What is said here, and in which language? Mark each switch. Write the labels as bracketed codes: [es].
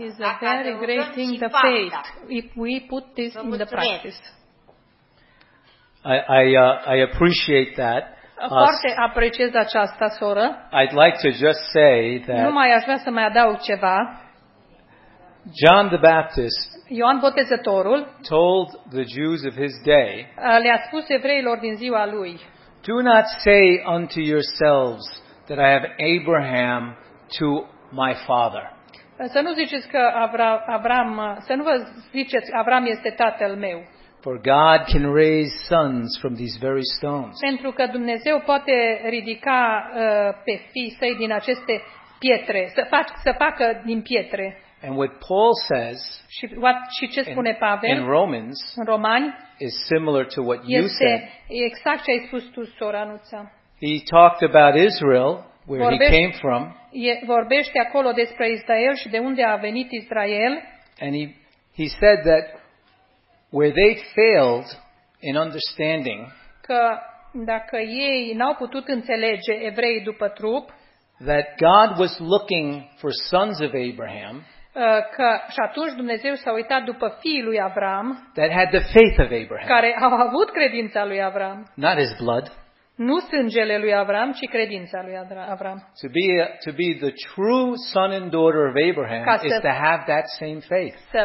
[en] It's a very great thing, the faith, if we put this in the practice. I appreciate that. [ro] Foarte apreciez această soră. [en] I'd like to just say that. [ro] Nu mai aș vrea să mai adaug ceva. [en] John the Baptist. [ro] Ioan Botezătorul. [en] Told the Jews of his day. [ro] Le-a spus evreilor din ziua lui. [en] Do not say unto yourselves that I have Abraham to my father. [ro] Să nu ziceți că Avram, să nu vă ziceți Avram este tatăl meu. [en] For God can raise sons from these very stones. [ro] Pentru că Dumnezeu poate ridica pe fii săi din aceste pietre, să facă din pietre. [en] And what Paul says, [ro] și ce spune Pavel [en] in Romans, [ro] în Romani, [en] is similar to what you said. [ro] Exact ce ai spus tu, soranuța. [en] He talked about Israel, where he came from. [ro] Vorbește acolo despre Israel și de unde a venit Israel. [en] And he said that where they failed in understanding, [ro] că dacă ei n-au putut înțelege evrei după trup, [en] that God was looking for sons of Abraham, [ro] că și atunci Dumnezeu s-a uitat după fiii lui Avram, [en] that had the faith of Abraham, [ro] care au avut credința lui Avram, [en] not his blood, [ro] nu sângele lui Avram, ci credința lui Avram. [en] To be the true son and daughter of Abraham is to have that same faith.